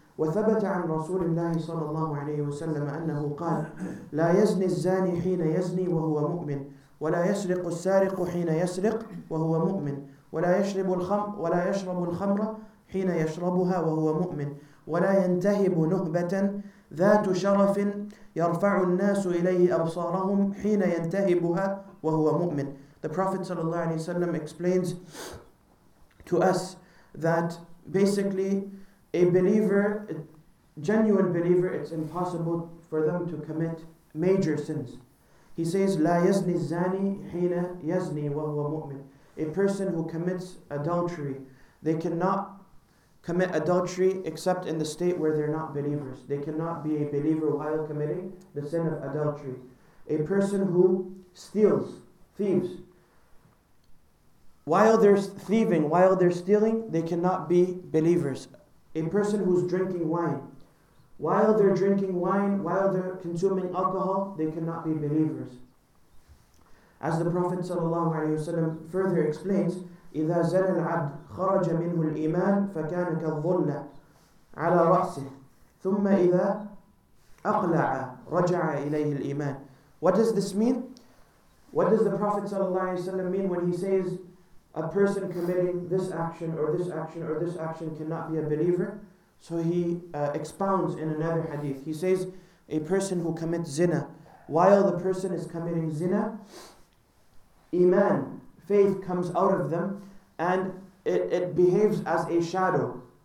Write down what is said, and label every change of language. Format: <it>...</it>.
<ar>وَثَبَتَ عَنْ رَسُولِ اللَّهِ صَلَى اللَّهُ عَلَيْهِ وَسَلَّمَ أَنَّهُ قَالَ لَا يَزْنِي الزَّانِي حِينَ يَزْنِي وَهُوَ مُؤْمِنٌ وَلَا يَسْرِقُ السَّارِقُ حِينَ يَسْرِقُ وَهُوَ مُؤْمِنٌ وَلَا يَشْرَبُ الْخَمْرَ حِينَ يَشْرَبُهَا وَهُوَ مُؤْمِنٌ وَلَا يَنْتَهِبُ نُهْبَةً ذَاتُ شَرَفٍ يَرْفَعُ النَّاسُ إِلَيْهِ أَبْصَارَهُمْ حِينَ يَنْتَهِبُهَا وَهُوَ مُؤْمِنٌ.</ar> <en>The Prophet صلى الله عليه وسلم explains to us that basically a believer, a genuine believer, it's impossible for them to commit major sins. He says,</en> <ar>لا يزني الزاني حين يزني وهو مؤمن.</ar> <en>A person who commits adultery, they cannot commit adultery except in the state where they're not believers. They cannot be a believer while committing the sin of adultery. A person who steals, thieves, while they're thieving, while they're stealing, they cannot be believers. A person who's drinking wine, while they're drinking wine, while they're consuming alcohol, they cannot be believers. As the Prophet ﷺ further explains,</en> <ar>إِذَا زَنَى الْعَبْدُ خَرَجَ مِنْهُ الْإِيمَانُ فَكَانَ كَالظُّلَّةِ عَلَى رَأْسِهِ ثُمَّ إِذَا أَقْلَعَ رَجَعَ إِلَيْهِ الْإِيمَانُ.</ar> <en>What does this mean? What does the Prophet ﷺ mean when he says, a person committing this action or this action or this action cannot be a believer? So he expounds in another hadith. He says, a person who commits zina, while the person is committing zina, iman, faith comes out of them, and it behaves as a shadow.</en>